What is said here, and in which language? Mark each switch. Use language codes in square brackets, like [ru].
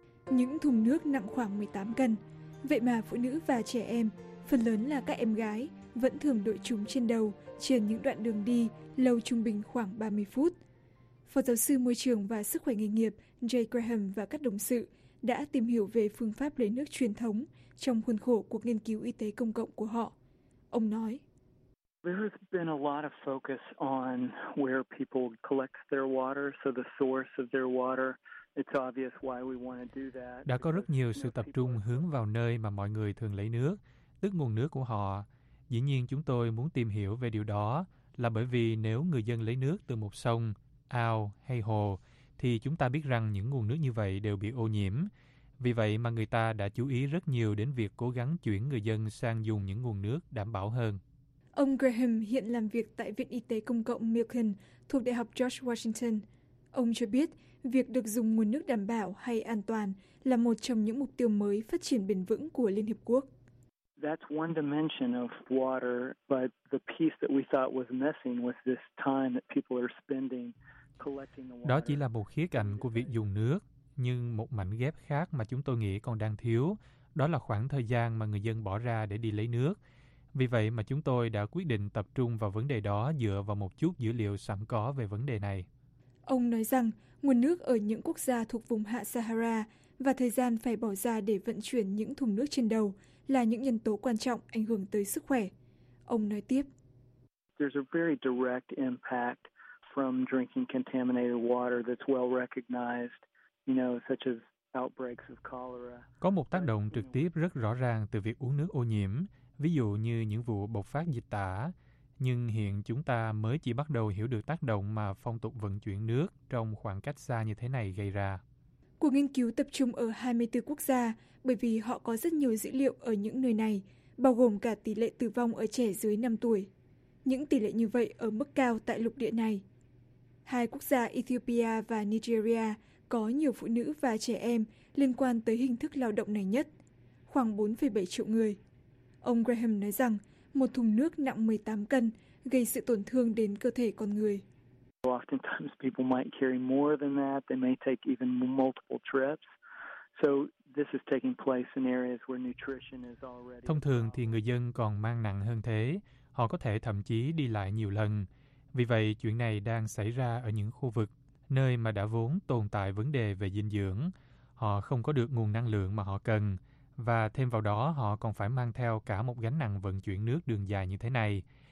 [vi] những thùng nước nặng khoảng 18 cân. Vậy mà phụ nữ và trẻ em, phần lớn là các em gái, vẫn thường đội chúng trên đầu trên những đoạn đường đi lâu trung bình khoảng 30 phút. Phó giáo sư môi trường và sức khỏe nghề nghiệp Jay Graham và các đồng sự đã tìm hiểu về phương pháp lấy nước truyền thống trong khuôn khổ cuộc nghiên cứu y tế công cộng của họ. Ông nói, [en] There has been a lot of focus on where people collect their water, so the source of their water. It's obvious why we want to do that. [vi] Đã có rất nhiều sự tập trung hướng vào nơi mà mọi người thường lấy nước, tức nguồn nước của họ. Dĩ nhiên chúng tôi muốn tìm hiểu về điều đó là bởi vì nếu người dân lấy nước từ một sông, ao hay hồ, thì chúng ta biết rằng những nguồn nước như vậy đều bị ô nhiễm. Vì vậy mà người ta đã chú ý rất nhiều đến việc cố gắng chuyển người dân sang dùng những nguồn nước đảm bảo hơn. Ông Graham hiện làm việc tại Viện Y tế Công cộng Milken thuộc Đại học George Washington. Ông cho biết việc được dùng nguồn nước đảm bảo hay an toàn là một trong những mục tiêu mới phát triển bền vững của Liên Hiệp Quốc. [en] That's one dimension of water, but the piece that we thought was missing was this time that people are spending collecting the water. [vi] Đó chỉ là một khía cạnh của việc dùng nước, nhưng một mảnh ghép khác mà chúng tôi nghĩ còn đang thiếu, đó là khoảng thời gian mà người dân bỏ ra để đi lấy nước. Vì vậy mà chúng tôi đã quyết định tập trung vào vấn đề đó dựa vào một chút dữ liệu sẵn có về vấn đề này. Ông nói rằng nguồn nước ở những quốc gia thuộc vùng Hạ Sahara và thời gian phải bỏ ra để vận chuyển những thùng nước trên đầu là những nhân tố quan trọng ảnh hưởng tới sức khỏe. Ông nói tiếp. [en] There's a very direct impact from drinking contaminated water that's well recognized, you know, such as outbreaks of cholera. [vi] Có một tác động trực tiếp rất rõ ràng từ việc uống nước ô nhiễm, ví dụ như những vụ bộc phát dịch tả. Nhưng hiện chúng ta mới chỉ bắt đầu hiểu được tác động mà phong tục vận chuyển nước trong khoảng cách xa như thế này gây ra. Cuộc nghiên cứu tập trung ở 24 quốc gia bởi vì họ có rất nhiều dữ liệu ở những nơi này, bao gồm cả tỷ lệ tử vong ở trẻ dưới 5 tuổi. Những tỷ lệ như vậy ở mức cao tại lục địa này. Hai quốc gia Ethiopia và Nigeria có nhiều phụ nữ và trẻ em liên quan tới hình thức lao động này nhất, khoảng 4,7 triệu người. Ông Graham nói rằng, một thùng nước nặng 18 cân gây sự tổn thương đến cơ thể con người. [en] Oftentimes people might carry more than that. They may take even multiple trips. So this is taking place in areas where nutrition is already. [vi] Thông thường thì người dân còn mang nặng hơn thế. Họ có thể thậm chí đi lại nhiều lần. Vì vậy, chuyện này đang xảy ra ở những khu vực nơi mà đã vốn tồn tại vấn đề về dinh dưỡng. Họ không có được nguồn năng lượng mà họ cần. Và thêm vào đó, họ còn phải mang theo cả một gánh nặng vận chuyển nước đường dài như thế này.